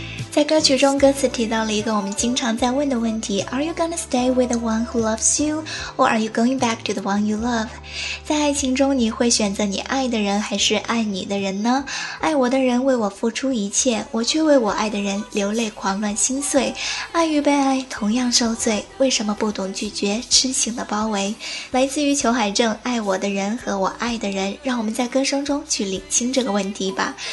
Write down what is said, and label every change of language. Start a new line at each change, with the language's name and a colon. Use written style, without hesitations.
Chinese: 在歌曲中，歌词提到了一个我们经常在问的问题，
English: Are you gonna stay with the one who loves you? Or are you going back to the one you love?
Chinese: 在爱情中，你会选择你爱的人还是爱你的人呢？爱我的人为我付出一切，我却为我爱的人流泪狂乱心碎，爱与被爱同样受罪，为什么不懂拒绝痴情的包围？来自于裘海正，爱我的人和我爱的人，让我们在歌声中去理清这个问题吧。